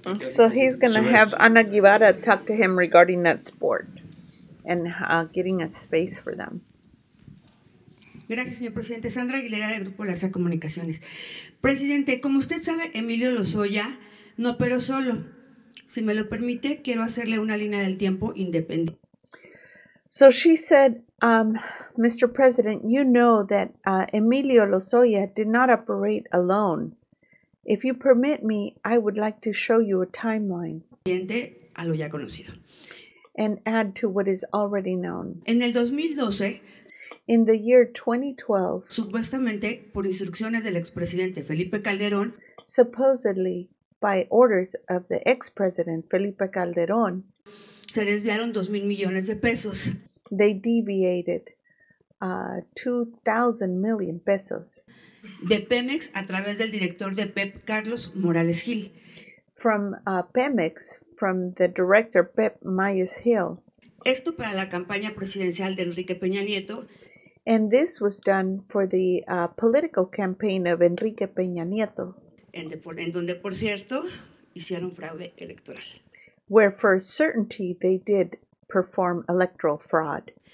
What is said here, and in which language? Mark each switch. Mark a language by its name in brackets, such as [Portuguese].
[English] So he's going to have Ana Guevara talk to him regarding that sport and getting a space for them. [Spanish] Gracias, señor presidente. Sandra Aguilera, del Grupo Larsa Comunicaciones. Presidente, como usted sabe, Emilio Lozoya no operó solo. Si me lo permite, quiero hacerle una línea del tiempo independiente. [English] So she said, Mr. President, you know that Emilio Lozoya did not operate alone. If you permit me, I would like to show you a timeline. [Spanish] Siguiente a lo ya conocido. [English] And add to what is already known. [Spanish] En el 2012, [English] In the year 2012, [Spanish] supuestamente por instrucciones del expresidente Felipe Calderón, [English] supposedly by orders of the ex-president Felipe Calderón, [Spanish] se desviaron 2,000 millones de pesos. [English] They deviated 2,000 million pesos. [Spanish] De Pemex a través del director de PEP, Carlos Morales Gil. [English] From Pemex, from the director PEP, Myers Hill. [Spanish] Esto para la campaña presidencial de Enrique Peña Nieto. [English] And this was done for the political campaign of Enrique Peña Nieto. [Spanish] En donde, por cierto, hicieron fraude electoral. [English] Where for certainty they did perform electoral fraud.